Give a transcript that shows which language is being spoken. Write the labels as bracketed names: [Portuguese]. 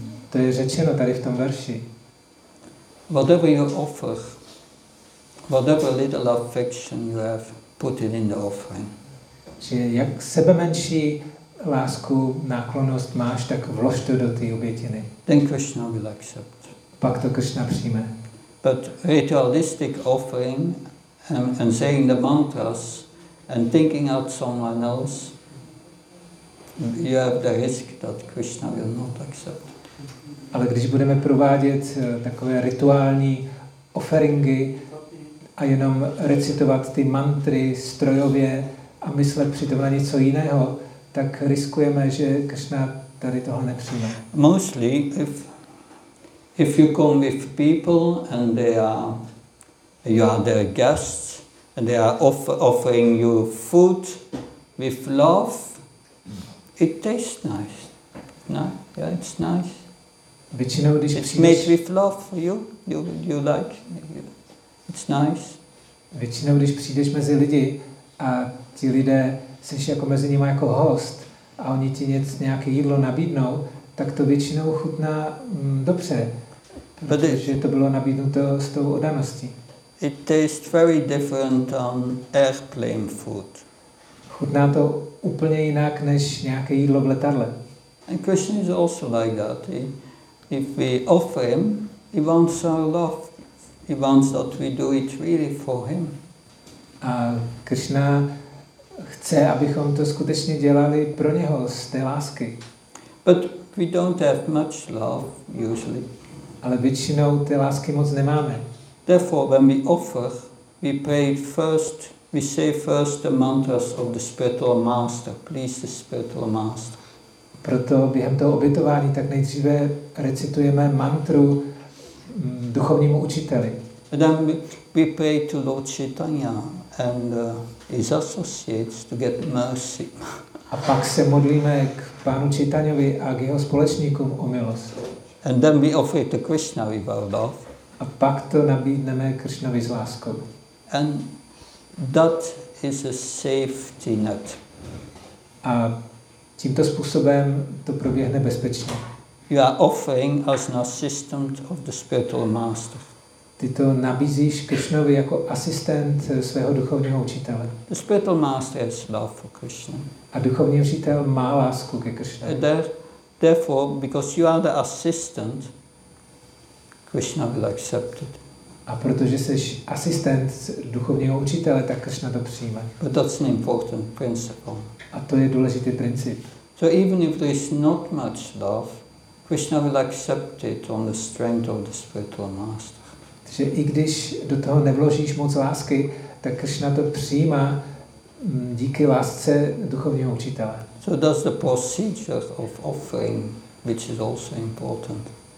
[Czech] To je řečeno tady v tom verši. [English] Whatever you offer, whatever little affection you have, put it in the offering. [Czech] Že jak sebemenší lásku, náklonost máš, tak vlož to do té obětiny. [English] Then Krishna will accept. [Czech] Pak to Krishna přijme. [English] But ritualistic offering and saying the mantras and thinking out someone else, you have the risk that Krishna will not accept. [Czech] Ale když budeme provádět takové rituální oferingy a jenom recitovat ty mantry strojově a myslet přitom na něco jiného, tak riskujeme, že Krishna tady toho nepřijme. [English] Mostly if you come with people and you are their guests and they are offering you food with love, it tastes nice. No, yeah, it's nice. [Czech] Většinou, když [English] it's made with love for you. You like it. It's nice. [Czech] Většinou, když přijdeš mezi lidi a ti lidé jsi jako mezi nimi jako host a oni ti nějaké jídlo nabídnou, tak to většinou chutná dobře, protože to bylo nabídnuto s tou oddaností. [English] It tastes very different on airplane food. [Czech] Chutná to úplně jinak než nějaké jídlo v letadle. [English] And Krishna is also like that. If we offer him, he wants our love. He wants that we do it really for him. [Czech] A Krishna chce, abychom to skutečně dělali pro něho z té lásky. [English] But we don't have much love usually. [Czech] Ale většinou té lásky moc nemáme. [English] Therefore, when we offer, we pray first. We say first the mantras of the spiritual master. Please, the spiritual master. [Czech] Proto během toho obětování tak nejdříve recitujeme mantru duchovnímu učiteli. [English] And then we pray to Lord Chaitanya and his associates to get mercy. [Czech] A pak se modlíme k pánu Chaitanyovi a k jeho společníkům o milost. [English] And then we offer to Krishna with our love. [Czech] A pak to nabídneme Krishnovi s láskou. [English] And that is a safety net. [Czech] A tímto způsobem to proběhne bezpečně. [English] You are offering as an assistant of the spiritual master. [Czech] Ty to nabízíš Krishnovi jako asistent svého duchovního učitele. [English] The spiritual master has love for Krishna. [Czech] A duchovní učitel má lásku ke Krishnovi. [English] Therefore, because you are the assistant, Krishna will accept it. [Czech] A protože jsi asistent duchovního učitele, tak Krishna to přijme. [English] But that's an important principle. [Czech] A to je důležitý princip. [English] So even if there is not much love, Krishna will accept it on the strength of the spiritual master. [Czech] Takže i když do toho nevložíš moc lásky, tak Krishna to přijme díky lásce duchovního učitele. [English] So that's the procedure of offering, which is also important.